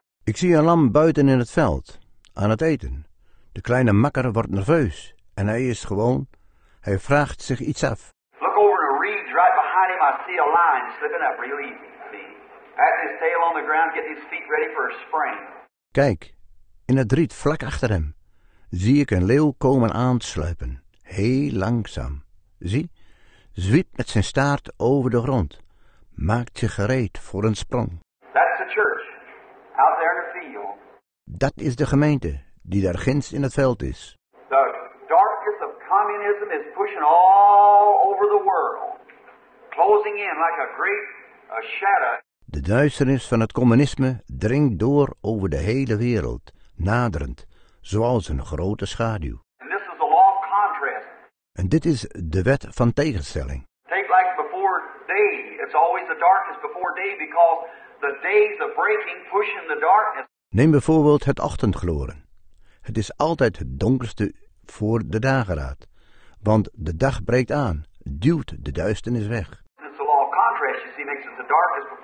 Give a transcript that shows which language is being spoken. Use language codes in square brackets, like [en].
[nl] Ik zie een lam buiten in het veld aan het eten. De kleine makker wordt nerveus en hij is gewoon. Hij vraagt zich iets af. [en] Look over the reeds right behind him. I see a lion slipping up real easy. Patting his tail on the ground, getting his feet ready for a spring. [nl] Kijk, in het riet vlak achter hem, zie ik een leeuw komen aansluipen, heel langzaam. Zie, zwiept met zijn staart over de grond, maakt zich gereed voor een sprong. [en] That's the church, out there in the field. [nl] Dat is de gemeente, die daar ginds in het veld is. [en] The darkness of communism is pushing all over the world, closing in like a great shadow. [nl] De duisternis van het communisme dringt door over de hele wereld, naderend, zoals een grote schaduw. [en] And this is the law of contrast. [nl] En dit is de wet van tegenstelling. [en] Take like before day, it's always the darkness before day because the days are breaking, pushing the darkness. [nl] Neem bijvoorbeeld het ochtendgloren. Het is altijd het donkerste voor de dageraad, want de dag breekt aan, duwt de duisternis weg. [en] It's the law of contrast, you see, makes it the darkness.